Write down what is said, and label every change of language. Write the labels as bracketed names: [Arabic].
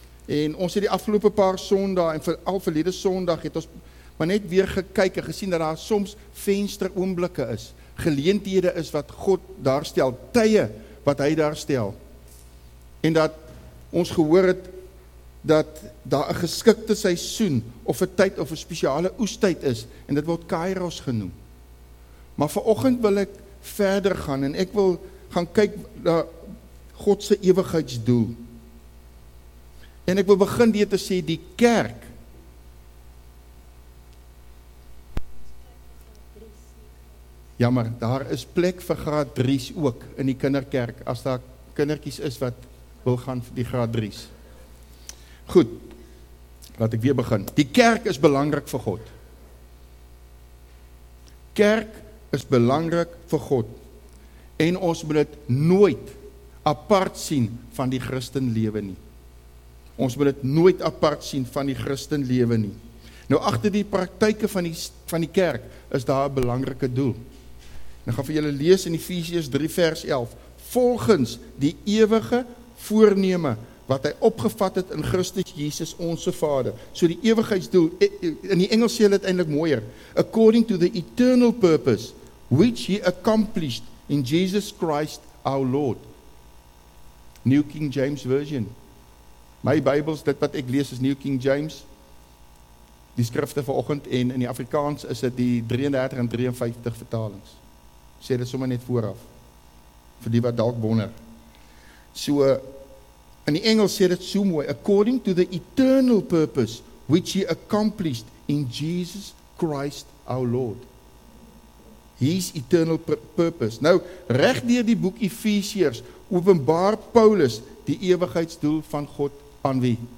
[Afrikaans] En ons het die afgelope paar sondae en veral verlede sondag het ons maar net weer gekyk en gesien dat daar soms vensteroomblikke is, geleenthede is wat God daar stel, tye wat hy daar stel. En dat ons gehoor het dat daar 'n geskikte seisoen of 'n tyd of 'n spesiale oestyd is en dit word Kairos genoem. Maar vanoggend wil ek verder gaan en ek wil gaan kyk na God se ewigheidsdoel. En ek wil begin deur te sê die kerk. Jammer, daar is plek vir graad 3's ook in die kinderkerk as daar kindertjies is wat wil gaan vir die graad 3's. Goed, laat ek weer begin. Die kerk is belangrik vir God. Kerk is belangrik vir God. En ons moet dit nooit apart sien van die Christenlewe nie. Ons moet dit nooit apart sien van die Christenlewe nie. Nou, agter die praktyke van die kerk is daar 'n belangrike doel. Nou gaan vir julle lees in Efesiërs 3 vers 11. Volgens die ewige voorneme wat hy opgevat het in Christus Jesus onse Vader. So die ewigheidsdoel, in die Engels sê hulle dit eintlik mooier. [English] According to the eternal purpose which he accomplished in Jesus Christ our Lord. [Afrikaans] New King James Version. My Bybels, dit wat ek lees is New King James. Die skrifte vanoggend en in die Afrikaans is dit die 33 en 53 vertalings. Sê dit sommer net vooraf. Vir die wat dalk wonder. So, in die Engels sê dit so mooi, [English] according to the eternal purpose which he accomplished in Jesus Christ our Lord. His eternal purpose. [Afrikaans] Nou, reg deur die boek Efesiërs, openbaar Paulus die ewigheidsdoel van God aan wie?